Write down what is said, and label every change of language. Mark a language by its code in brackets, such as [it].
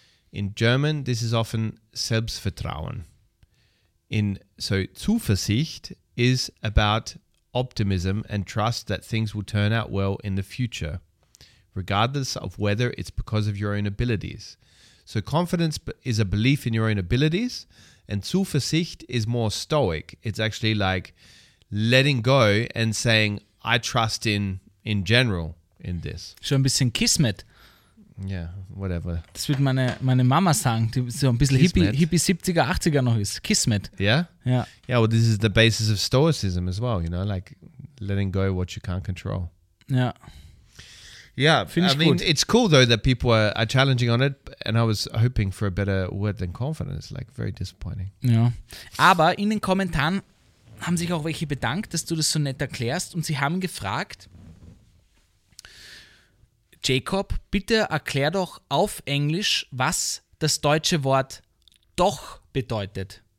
[en] In German, this is often Selbstvertrauen. So, Zuversicht is about optimism and trust that things will turn out well in the future, regardless of whether it's because of your own abilities. So confidence is a belief in your own abilities, and Zuversicht is more stoic. It's actually like letting go and saying, I trust in general, in this. [de] Schon ein bisschen Kismet. [en] Ja, yeah, whatever. [de] Das wird meine Mama sagen, die so ein bisschen Hippie 70er, 80er noch ist. Kismet. Ja? Ja. [en] Yeah, well, this is the basis of Stoicism as well, you know, like letting go what you can't control. [de] Ja. Ja, finde ich gut. [en] I mean, it's cool though that people are challenging on it and I was hoping for a better word than confidence, like very disappointing. [de] Ja. Aber in den Kommentaren haben sich auch welche bedankt, dass du das so nett erklärst und sie haben gefragt, Jacob, bitte erklär doch auf Englisch, was das deutsche Wort doch bedeutet.